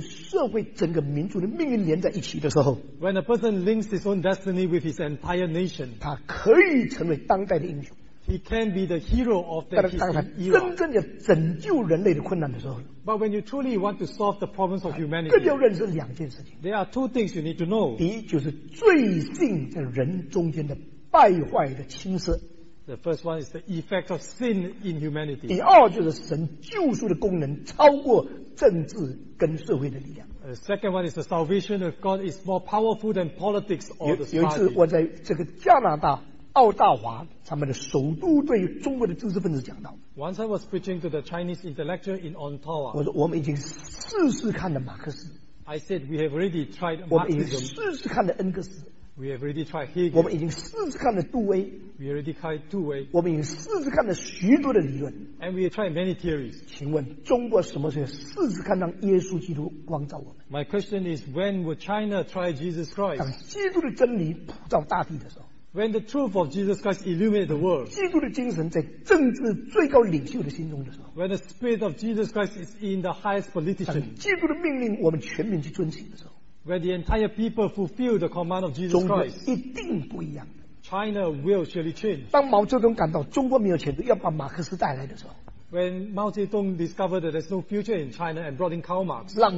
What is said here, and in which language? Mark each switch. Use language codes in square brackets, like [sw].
[zh] 那么当一个人把整个生死跟社会整个民族的命运连在一起的时候, [en] when a person links his own destiny with his entire nation, [zh] 他可以成为当代的英雄。 [en] He can be the hero of that history era. [zh] 真正的拯救人类的困难的时候, [en] but when you truly want to solve the problems of humanity, [zh] 更要认识两件事情, [en] there are two things you need to know. [zh] 第一就是罪性在人中间的败坏的侵蚀, [en] the first one is the effect of sin in humanity. [zh] 第二就是神救赎的功能超过政治跟社会的力量。 [en] The second one is the salvation of God is more powerful than politics or the society. [zh] 有一次我在这个加拿大 奥大华他们的首都对中国的知识分子讲道。 [en] Once I was preaching to the Chinese intellectual in Ottawa. [zh] 我说我们已经试试看了马克思。 [en] I said we have already tried Marxism. [zh] 我们已经试试看了恩格斯。 [en] We have already tried Hegel. [zh] 我们已经试试看了杜威。 [en] We already tried 杜威。 [zh] 我们已经试试看了许多的理论。 [en] And we have tried many theories. [zh] 请问中国什么时候试试看让耶稣基督光照我们？ [en] My question is, when will China try Jesus Christ? [zh] 当基督的真理普照大地的时候。 [en] When the truth of Jesus Christ illuminated the world, [zh] 基督的精神在政治最高领袖的心中的时候, [en] when the spirit of Jesus Christ is in the highest politician, [zh] 基督的命令我们全民去遵行的时候, [en] when the entire people fulfill the command of Jesus Christ, [zh] 中国一定不一样, [en] China will surely change. [zh] 当毛泽东感到中国没有前途，要把马克思带来的时候, [en] when Mao Zedong discovered that there's no future in China and brought in Karl Marx,